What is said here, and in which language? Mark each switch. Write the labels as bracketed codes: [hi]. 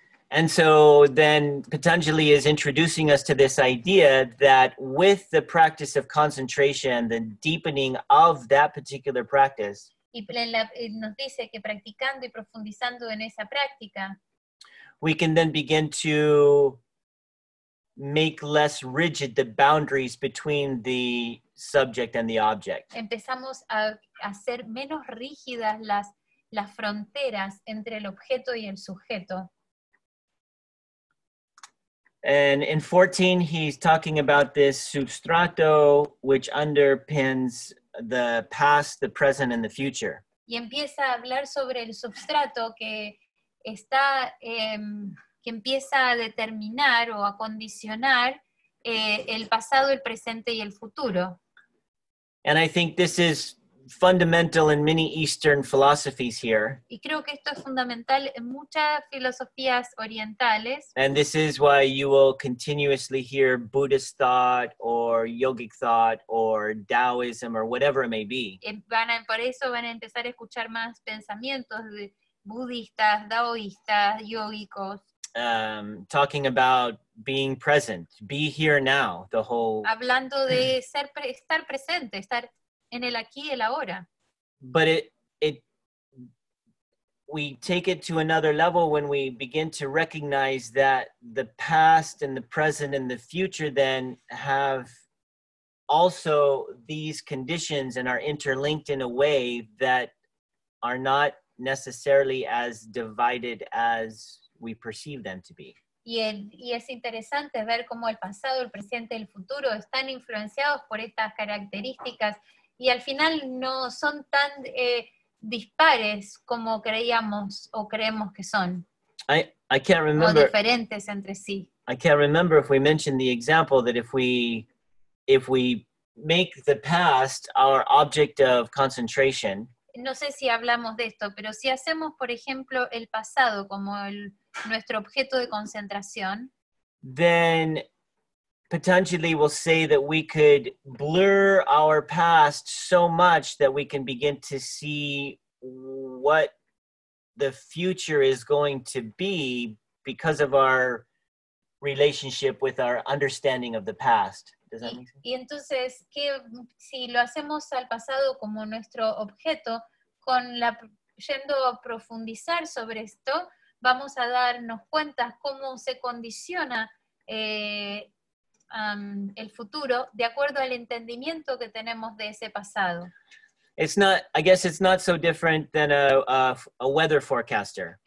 [en] And so then Patanjali is introducing us to this idea that with the practice of concentration, the deepening of that particular practice, [es] y nos dice que practicando y profundizando en esa práctica, [en] we can then begin to make less rigid the boundaries between the subject and the object. [es] Empezamos a hacer menos rígidas las fronteras entre el objeto y el sujeto. [en] And in 14, he's talking about this substrato, which underpins the past, the present, and the future. [es] Y empieza a hablar sobre el substrato que está que empieza a determinar o a condicionar el pasado, el presente y el futuro. [en] And I think this is fundamental in many Eastern philosophies here. [es] Y creo que esto es fundamental en muchas filosofías orientales. [en] And this is why you will continuously hear Buddhist thought or yogic thought or Taoism or whatever it may be. [es] Por eso van a empezar a escuchar más pensamientos de budistas, daoístas, yogicos. [en] Talking about being present, be here now, the whole... [es] Hablando de estar presente, estar en el aquí y el ahora. [en] But we take it to another level when we begin to recognize that the past and the present and the future then have also these conditions and are interlinked in a way that are not necessarily as divided as we perceive them to be. [es] Y es interesante ver cómo el pasado, el presente y el futuro están influenciados por estas características y al final no son tan dispares como creíamos o creemos que son. [en] I can't remember. [es] O diferentes entre sí. [en] I can't remember if we mentioned the example that if we make the past our object of concentration. [es] No sé si hablamos de esto, pero si hacemos, por ejemplo, el pasado como nuestro objeto de concentración, [en] then Patanjali will say that we could blur our past so much that we can begin to see what the future is going to be because of our relationship with our understanding of the past. Does that make sense? [es] Y entonces, ¿qué, si lo hacemos al pasado como nuestro objeto, con la, yendo a profundizar sobre esto, vamos a darnos cuenta cómo se condiciona el futuro de acuerdo al entendimiento que tenemos de ese pasado? [en] It's not, I guess it's not so different than a weather forecaster.